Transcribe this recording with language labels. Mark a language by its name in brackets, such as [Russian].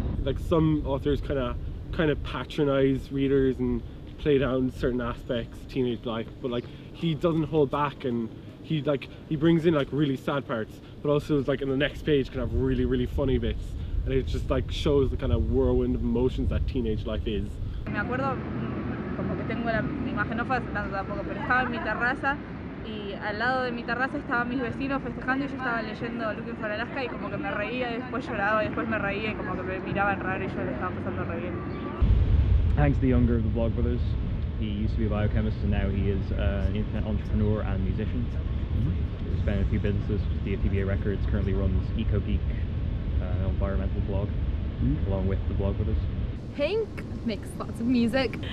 [English] Like, some authors kind of patronize readers and play down certain aspects of teenage life, but like, he doesn't hold back, and he brings in like really sad parts, but also it's like in the next page kind of really, really funny bits. And it just like shows the kind of whirlwind of emotions that teenage life is. [Spanish] Me acuerdo, como que tengo la imagen no fácil tampoco, pero estaba en mi terraza y al lado de mi terraza estaban mis vecinos festejando y yo estaba leyendo Looking for Alaska y como que me reía y después lloraba y después me reía y como que me miraban raro y yo le estaba pasando re bien. [English] Hank's the younger of the Vlogbrothers. He used to be a biochemist and now he is an internet entrepreneur and musician. He's been in a few businesses, just the ATBA Records, currently runs Eco Geek, an environmental blog, along with the Vlogbrothers. Hank makes lots of music.